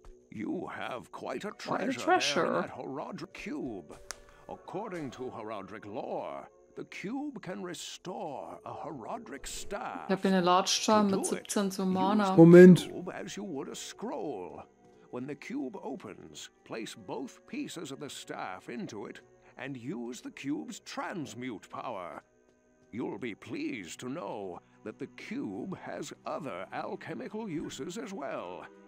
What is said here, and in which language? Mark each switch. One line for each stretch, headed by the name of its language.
English: You have quite a treasure in that Horadric cube. According to Horadric lore, the cube can restore a Horadric staff.
German: Ich habe eine Large Charm mit 17 zu Mana. Moment.
English: As you would a scroll. When the cube opens, place both pieces of the staff into it and use the cube's transmute power. You'll be pleased to know that the cube has other alchemical uses as well.